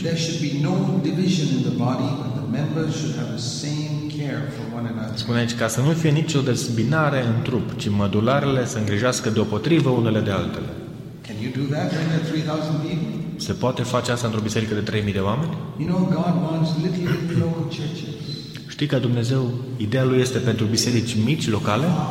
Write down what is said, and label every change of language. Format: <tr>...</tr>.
<en>There should be no division in the body, but the members should have the same care for one another.</en> <ro>Spune aici, ca să nu fie nicio dezbinare în trup, ci mădularele să îngrijească deopotrivă unele de altele.</ro> <en>Can you do that when there are 3,000 people?</en> <ro>Se poate face asta într-o biserică de 3,000 de oameni?</ro> <en>You know, God wants little local churches.</en> <ro>Știi că Dumnezeu, ideea Lui este pentru biserici mici, locale?</ro>